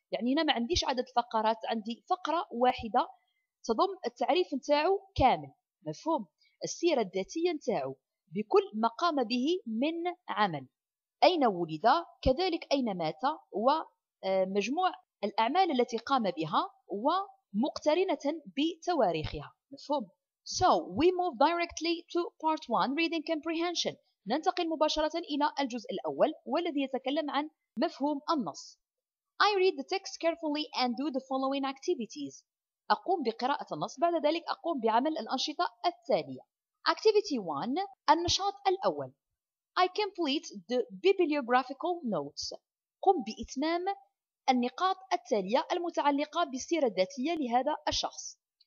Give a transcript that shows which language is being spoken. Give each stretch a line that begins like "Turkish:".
Arabic: يعني هنا ما عنديش عدد فقرات, عندي فقرة واحدة تضم التعريف نتاعو كامل, مفهوم؟ السيرة الذاتية نتاعو بكل ما قام به من عمل, أين ولد, كذلك أين مات, ومجموع الأعمال التي قام بها ومقترنة بتواريخها, مفهوم؟
English: So we move directly to part 1, reading comprehension.
Arabic: ننتقل مباشرة إلى الجزء الأول والذي يتكلم عن مفهوم النص.
English: I read the text carefully and do the following activities.
Arabic: أقوم بقراءة النص, بعد ذلك أقوم بعمل الأنشطة التالية.
English: Activity 1,
Arabic: النشاط الأول.
English: I complete the bibliographical notes.
Arabic: قم بإتمام النقاط التالية المتعلقة بالسيرة الذاتية لهذا الشخص.